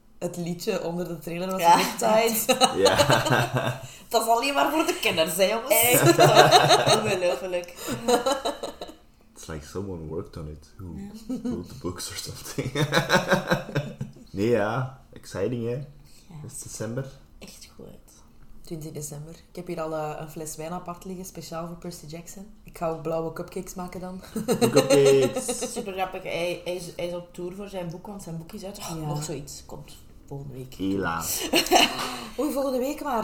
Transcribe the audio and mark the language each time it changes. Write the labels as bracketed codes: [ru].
[nl] Het liedje onder de trailer was ja. Riptide. Ja. Dat is alleen maar voor de kenners, hè, jongens. Echt. Ongelooflijk. [en] It's like someone worked on it. Who wrote the books or something. [nl] Nee, ja. [en] Exciting, hè. [nl] Is het december? Echt goed. 20 december. Ik heb hier al een fles wijn apart liggen, speciaal voor Percy Jackson. Ik ga ook blauwe cupcakes maken dan. Cupcakes. Super grappig. Hij is op tour voor zijn boek, want zijn boek is uit. Oh, ja. Nog zoiets. Komt volgende week. Helaas. Oei, volgende week maar.